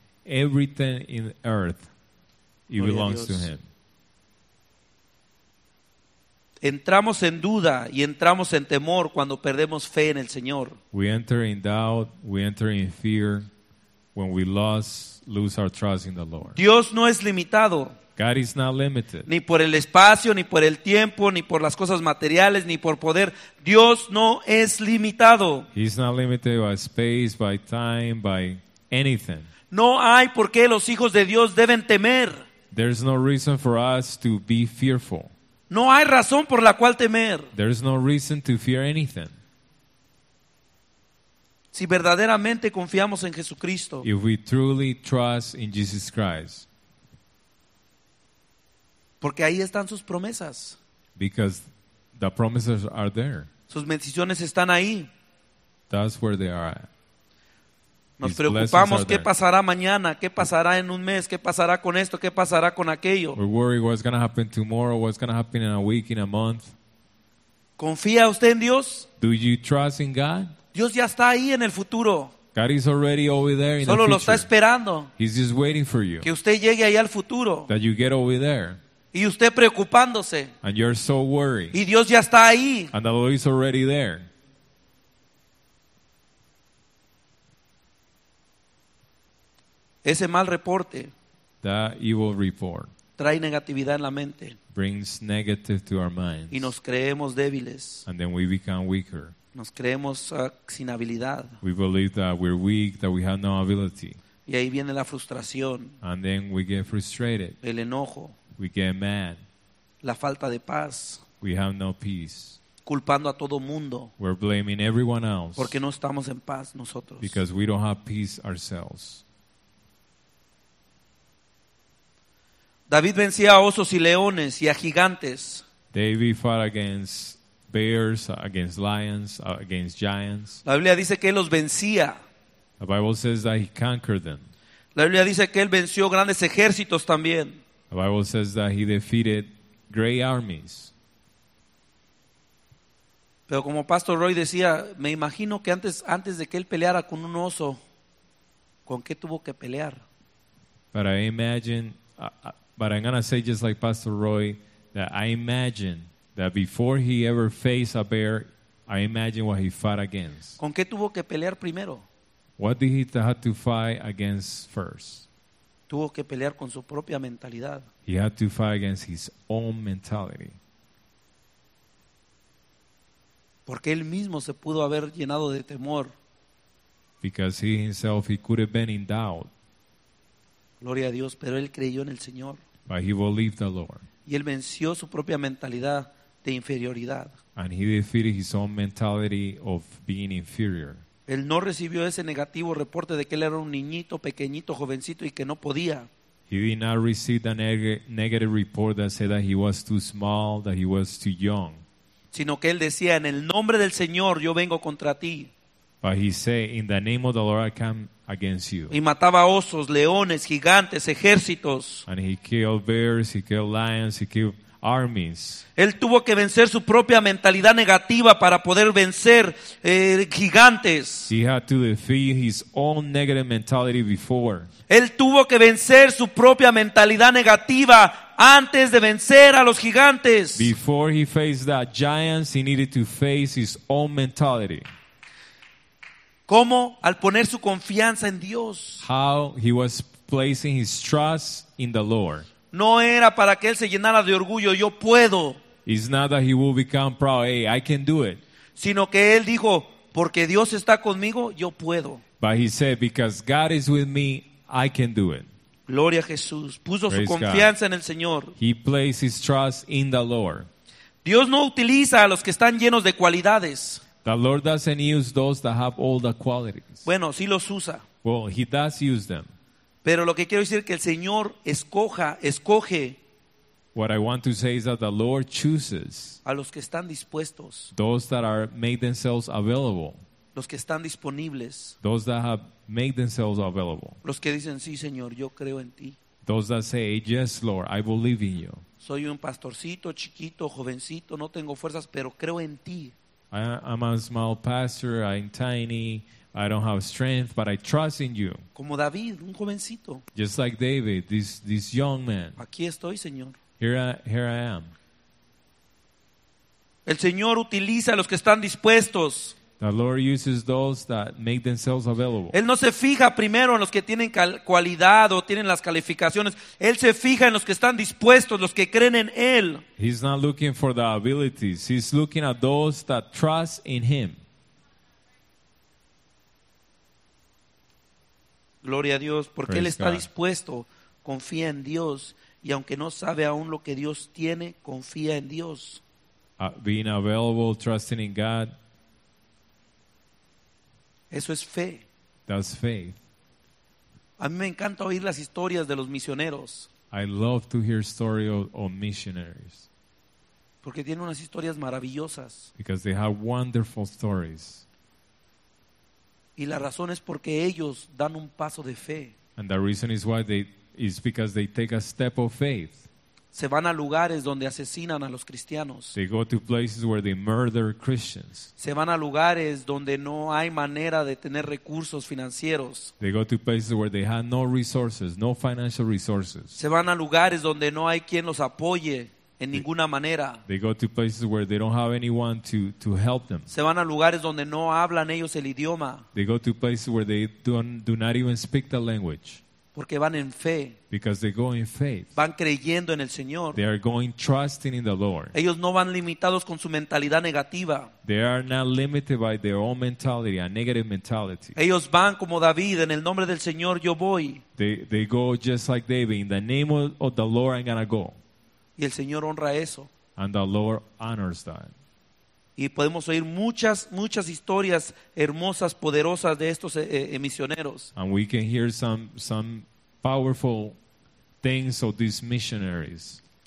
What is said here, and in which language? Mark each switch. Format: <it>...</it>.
<en>Everything in earth, it belongs to Him.</en> <es>Entramos en duda y entramos en temor cuando perdemos fe en el Señor.</es> <en>We enter in doubt, we enter in fear when we lose our trust in the Lord.</en> <es>Dios no es limitado.</es> <en>God is not limited.</en> <es>Ni por el espacio, ni por el tiempo, ni por las cosas materiales, ni por poder. Dios no es limitado.</es> <en>He's not limited by space, by time, by anything.</en> <es>No hay por qué los hijos de Dios deben temer.</es> <en>There's no reason for us to be fearful.</en> <es>No hay razón por la cual temer.</es> <en>There is no reason to fear anything.</en> <es>Si verdaderamente confiamos en Jesucristo.</es> <en>If we truly trust in Jesus Christ.</en> <es>Porque ahí están sus promesas.</es> <en>Because the promises are there.</en> <es>Sus bendiciones están ahí.</es> <en>That's where they are.</en> <es>Nos preocupamos qué pasará mañana, qué pasará en un mes, qué pasará con esto, qué pasará con aquello.</es> <en>We're worried what's going to happen tomorrow, what's going to happen in a week, in a month.</en> <es>¿Confía usted en Dios?</es> <en>Do you trust in God?</en> <es>Dios ya está ahí en el futuro.</es> <en>God is already over there in the future.</en> <es>Solo lo está esperando.</es> <en>He's just waiting for you.</en> <es>Que usted llegue ahí al futuro.</es> <en>That you get over there.</en> <es>Y usted preocupándose.</es> <en>And you're so worried.</en> <es>Y Dios ya está ahí.</es> <en>And the Lord is already there.</en> <es>Ese mal reporte,</es> <en>that evil report,</en> <es>trae negatividad en la mente,</es> <en>brings negative to our minds,</en> <es>y nos creemos débiles,</es> <en>and then we become weaker,</en> <es>nos creemos sin habilidad,</es> <en>we believe that we're weak, that we have no ability,</en> <es>y ahí viene la frustración,</es> <en>and then we get frustrated,</en> <es>el enojo,</es> <en>we get mad,</en> <es>la falta de paz,</es> <en>we have no peace,</en> <es>culpando a todo mundo,</es> <en>we're blaming everyone else,</en> <es>porque no estamos en paz nosotros,</es> <en>because we don't have peace ourselves.</en> <es>David vencía a osos y leones y a gigantes.</es> <en>David fought against bears, against lions, against giants.</en> <es>La Biblia dice que él los vencía.</es> <en>The Bible says that he conquered them.</en> <es>La Biblia dice que él venció grandes ejércitos también.</es> <en>The Bible says that he defeated great armies.</en> <es>Pero como Pastor Roy decía, me imagino que antes de que él peleara con un oso, ¿con qué tuvo que pelear?</es> <en>But I imagine. But I'm going to say just like Pastor Roy, that I imagine that before he ever faced a bear, I imagine what he fought against.</en> <es>¿Con qué tuvo que pelear primero?</es> <en>What did he have to fight against first?</en> <es>Tuvo que pelear con su propia mentalidad.</es> <en>He had to fight against his own mentality.</en> <es>Porque él mismo se pudo haber llenado de temor.</es> <en>Because he himself, he could have been in doubt.</en> <es>Gloria a Dios, pero él creyó en el Señor.</es> <en>But he believed the Lord.</en> <es>Y él venció su propia mentalidad de inferioridad.</es> <en>And he defeated his own mentality of being inferior.</en> <es>Él no recibió ese negativo reporte de que él era un niñito, pequeñito, jovencito y que no podía.</es> <en>He did not receive the negative report that said that he was too small, that he was too young.</en> <es>Sino que él decía, en el nombre del Señor yo vengo contra ti.</es> <en>But he said, in the name of the Lord I come against you.</en> <es>Y mataba osos, leones, gigantes, ejércitos.</es> <en>And he killed bears, he killed lions, he killed armies.</en> <es>Él tuvo que vencer su propia mentalidad negativa para poder vencer gigantes.</es> <en>He had to defeat his own negative mentality before.</en> <es>Él tuvo que vencer su propia mentalidad negativa antes de vencer a los gigantes.</es> <en>Before he faced the giants, he needed to face his own mentality.</en> <es>¿Cómo? Al poner su confianza en Dios.</es> <en>How he was placing his trust in the Lord.</en> <es>No era para que él se llenara de orgullo, yo puedo.</es> <en>It's not that he will become proud, hey, I can do it.</en> <es>Sino que él dijo, porque Dios está conmigo, yo puedo.</es> <en>But he said, because God is with me, I can do it.</en> <es>Gloria a Jesús. Puso</es> <en>Praise</en> <es>su confianza</es> <en>God.</en> <es>En el Señor.</es> <en>He placed his trust in the Lord.</en> <es>Dios no utiliza a los que están llenos de cualidades.</es> <en>The Lord doesn't use those that have all the qualities.</en> <es>Bueno, sí los usa.</es> <en>Well, he does use them.</en> <es>Pero lo que quiero decir es que el Señor escoge.</es> <en>What I want to say is that the Lord chooses</en> <es>a los que están dispuestos.</es> <en>Those that are made themselves available.</en> <es>Los que están disponibles.</es> <en>Those that have made themselves available.</en> <es>Los que dicen, sí, Señor, yo creo en ti.</es> <en>Those that say, yes, Lord, I believe in you.</en> <es>Soy un pastorcito, chiquito, jovencito, no tengo fuerzas, pero creo en ti.</es> <en>I'm a small pastor, I'm tiny, I don't have strength, but I trust in you.</en> <es>Como David, un jovencito.</es> <en>Just like David, this young man.</en> <es>Aquí estoy, Señor.</es> <en>Here I am.</en> <es>El Señor utiliza a los que están dispuestos.</es> <en>The Lord uses those that make themselves available.</en> <es>Él no se fija primero en los que tienen cualidad o tienen las calificaciones. Él se fija en los que están dispuestos, los que creen en Él.</es> <en>He's not looking for the abilities. He's looking at those that trust in Him.</en> <es>Gloria a Dios, porque</es> <en>Praise</en> <es>Él está</es> <en>God.</en> <es>Dispuesto. Confía en Dios. Y aunque no sabe aún lo que Dios tiene, confía en Dios.</es> <en>Being available, trusting in God.</en> <es>Eso es fe.</es> <en>That's faith.</en> <es>A mí me encanta oír las historias de los misioneros.</es> <en>I love to hear stories of missionaries.</en> <es>Porque tienen unas historias maravillosas.</es> <en>Because they have wonderful stories.</en> <es>Y la razón es porque ellos dan un paso de fe.</es> <en>And the reason is why is because they take a step of faith.</en> <es>Se van a lugares donde asesinan a los cristianos.</es> <en>They go to places where they murder Christians.</en> <es>Se van a lugares donde no hay manera de tener recursos financieros.</es> <en>They go to places where they have no resources, no financial resources.</en> <es>Se van a lugares donde no hay quien los apoye en ninguna manera.</es> <en>They go to places where they don't have anyone to help them.</en> <es>Se van a lugares donde no hablan ellos el idioma.</es> <en>They go to places where they do not even speak the language.</en> <es>Porque van en fe.</es> <en>Because they go in faith.</en> <es>Van creyendo en el Señor.</es> <en>They are going trusting in the Lord.</en> <es>Ellos no van limitados con su mentalidad negativa.</es> <en>They are not limited by their own mentality, a negative mentality.</en> <es>Ellos van como David, en el nombre del Señor yo voy.</es> <en>They go just like David, in the name of the Lord I'm going to go.</en> <es>Y el Señor honra eso.</es> <en>And the Lord honors that.</en> <es>Y podemos oír muchas, muchas historias hermosas, poderosas de estos misioneros.</es> <en>And we can hear some powerful things of these missionaries.</en>